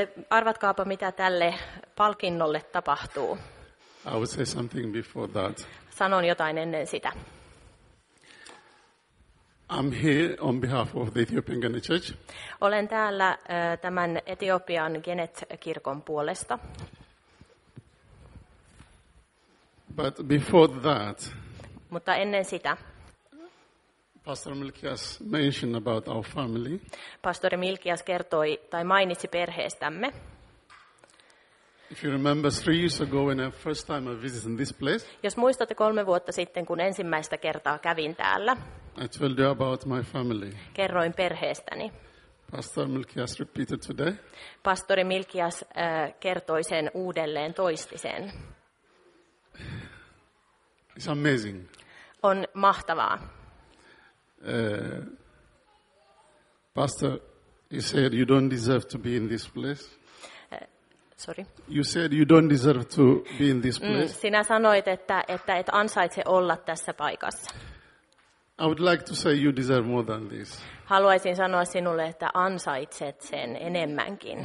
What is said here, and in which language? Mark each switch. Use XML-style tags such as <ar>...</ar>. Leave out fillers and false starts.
<fi>Arvatkaapa mitä tälle palkinnolle tapahtuu.</fi> <en>I would say something before that.</en> <fi>Sanon jotain ennen sitä.</fi> <en>I'm here on behalf of the Ethiopian Genet Church.</en> <fi>Olen täällä tämän Etiopian Genet-kirkon puolesta.</fi> <en>But before that.</en> <fi>Mutta ennen sitä.</fi> <en>Pastor Milkias mentioned about our family.</en> <fi>Pastori Milkias kertoi tai mainitsi perheestämme.</fi> <en>If you remember 3 years ago when I first time I visited this place.</en> <fi>Jos muistatte 3 vuotta sitten kun ensimmäistä kertaa kävin täällä.</fi> <en>I told you about my family.</en> <fi>Kerroin perheestäni.</fi> <en>Pastor Milkias repeated today.</en> <fi>Pastori Milkias kertoi sen uudelleen toistisen.</fi> <en>It's amazing.</en> <fi>On mahtavaa.</fi> <en>Pastor, you said you don't deserve to be in this place. Sorry. You said you don't deserve to be in this place.</en> <fi>Sinä sanoit, että et ansaitse olla tässä paikassa.</fi> <en>I would like to say you deserve more than this.</en> <fi>Haluaisin sanoa sinulle, että ansaitset sen enemmänkin.</fi>